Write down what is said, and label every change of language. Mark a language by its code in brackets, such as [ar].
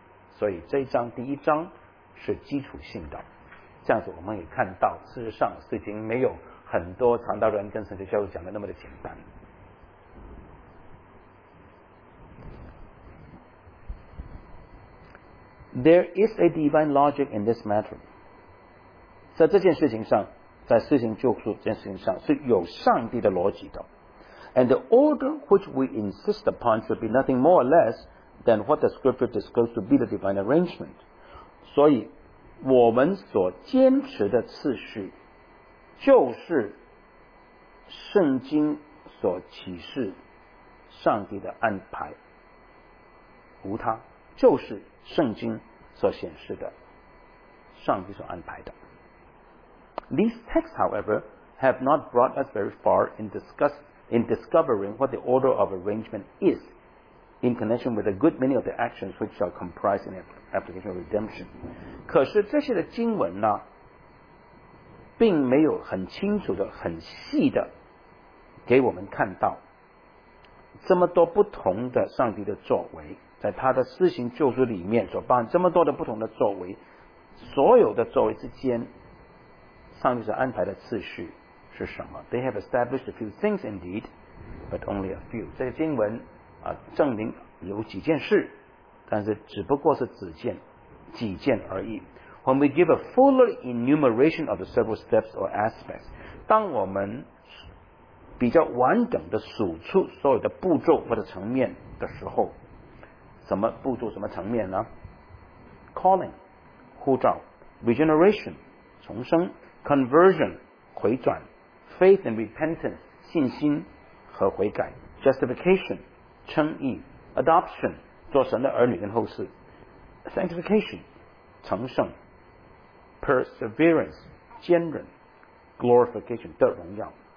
[zh] 所以这一章第一章是基础性的，这样子我们也看到事实上事情没有很多传道人跟神学教授讲的那么的简单。 [en] There is a divine logic in this matter， [zh] 在这件事情上，在施行救赎这件事情上是有上帝的逻辑的。 [en] And the order which we insist upon should be nothing more or less than what the scripture discloses to be the divine arrangement， [zh] 所以我们所坚持的次序就是圣经所启示上帝的安排，无他，就是圣经所显示的上帝所安排的。 [en] These texts however have not brought us very far in discovering what the order of arrangement is in connection with a good many of the actions which are comprised in application of redemption， [zh] 可是这些的经文呢并没有很清楚的很细的给我们看到这么多不同的上帝的作为，在他的施行救赎里面所办这么多的不同的作为，所有的作为之间上帝所安排的次序是什么。 [en] They have established a few things indeed but only a few， [zh] 这些经文证明有几件事，但是只不过是几件而已。 [en] When we give a fuller enumeration of the several steps or aspects， [zh] 当我们比较完整的数出所有的步骤或者层面的时候，什么步骤什么层面呢？ Calling 呼召， Regeneration 重生， Conversion 回转， Faith and repentance 信心和悔改， Justification 称义， Adoption 做神的儿女跟后嗣， Sanctification 成圣， Perseverance 坚韧， Glorification 的荣耀。